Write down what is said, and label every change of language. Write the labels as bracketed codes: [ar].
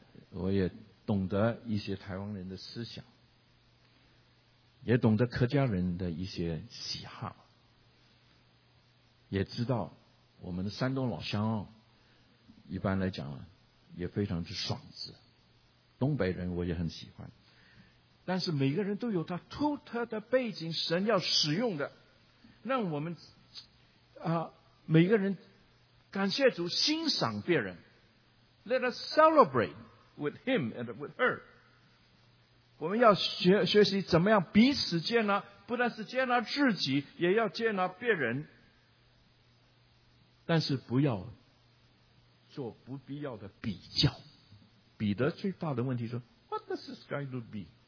[zh] 我也懂得一些台湾人的思想，也懂得客家人的一些喜好，也知道我们的山东老乡一般来讲也非常之爽直，东北人我也很喜欢。但是每个人都有他独特的背景，神要使用的，让我们每个人感谢主，欣赏别人。 [en] Let us celebrate with him and with her。 [zh] 我们要 学习怎么样彼此接纳，不但是接纳自己，也要接纳别人，但是不要做不必要的比较。彼得最大的问题是 [en] What does this guy do be？